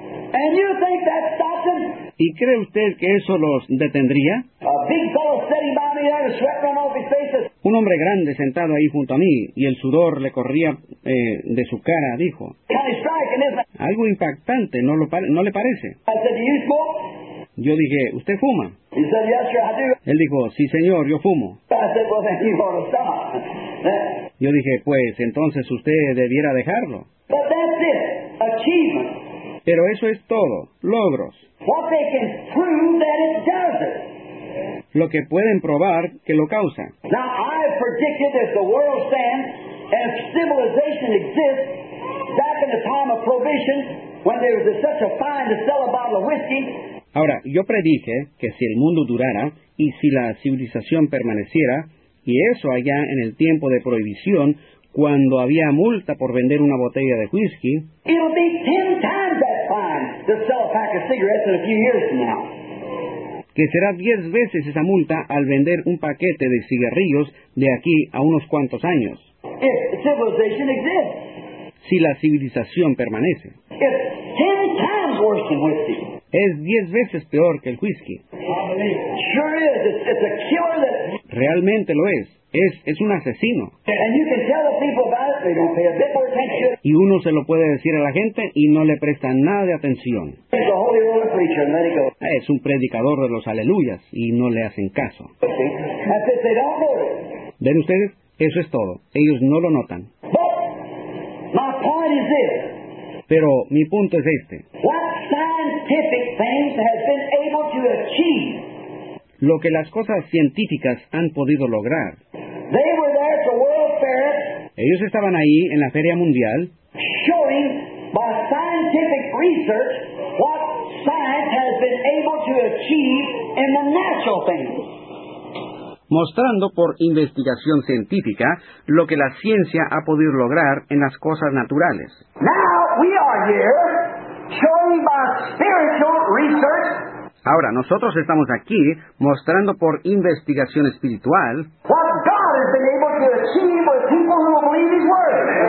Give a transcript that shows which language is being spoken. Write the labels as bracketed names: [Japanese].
[English] And you think that stops him? [Spanish] ¿Y cree usted que eso los detendría? [English] A big fellow sitting by me there, sweat running off his face. [Spanish] Un hombre grande sentado ahí junto a mí y el sudor le corría de su cara, dijo. [English] Kind of striking, isn't it? [Spanish] Algo impactante, ¿no le parece? [English] I said, do you smoke? [Spanish] Yo dije, ¿usted fuma? [English] He said, yes, sir, I do. [Spanish] Él dijo, sí, señor, yo fumo. [English] I said, well, then you ought to stop. [Spanish] Yo dije, pues, entonces usted debiera dejarlo. [English] But that's it. Achievement. [Spanish] Pero eso es todo, logros. [English] What they can prove that it does it. [Spanish] Lo que pueden probar que lo causa. [English] Now, I have predicted that the world stands and civilization exists back in the time of prohibition when there was such a fine to sell a bottle of whiskey. [Spanish] Ahora, yo predije que si el mundo durara y si la civilización permaneciera, y eso allá en el tiempo de prohibición, cuando había multa por vender una botella de whisky, [English] it'll be 10 times that fine to sell a pack of cigarettes in a few years from now. [Spanish] Que será 10 veces esa multa al vender un paquete de cigarrillos de aquí a unos cuantos años. [English] If civilization exists. [Spanish] Si la civilización permanece. [English] It's 10 times worse than whiskey. [Spanish] Es 10 veces peor que el whisky. [English] Sure is. It's a killer that... [Spanish] Realmente lo es. Es un asesino. [English] And you can tell the people about it, they don't pay a bit more attention. [Spanish] Y uno se lo puede decir a la gente y no le prestan nada de atención. [English] It's a holy roller preacher and let it go. [Spanish] Es un predicador de los aleluyas y no le hacen caso. [English] Okay. That's it, they don't notice. [Spanish] ¿Ven ustedes? Eso es todo. Ellos no lo notan. [English] But my point is this. [Spanish] Pero mi punto es este. [English] What scientific things has been able to achieve? [Spanish] Lo que las cosas científicas han podido lograr. [English] They were there at the World Fair. [Spanish] Ellos estaban ahí en la Feria Mundial. [English] Showing by scientific research what science has been able to achieve in the natural things. [Spanish] mostrando por investigación científica lo que la ciencia ha podido lograr en las cosas naturales. [English] Now we are here showing by spiritual research. [Spanish] Ahora, nosotros estamos aquí mostrando por investigación espiritual [English] what God has been able to achieve with people who believe His word.